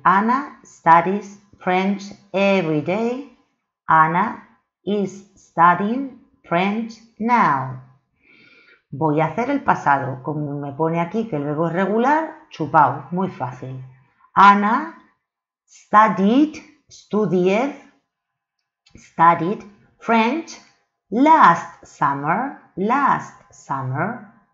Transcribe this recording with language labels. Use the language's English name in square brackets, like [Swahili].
[English] Ana studies French every day. Ana is studying French now. [Spanish] Voy a hacer el pasado. Como me pone aquí que el verbo es regular, chupao, muy fácil. Ana [English] Studied, estudié, studied French last summer, last summer.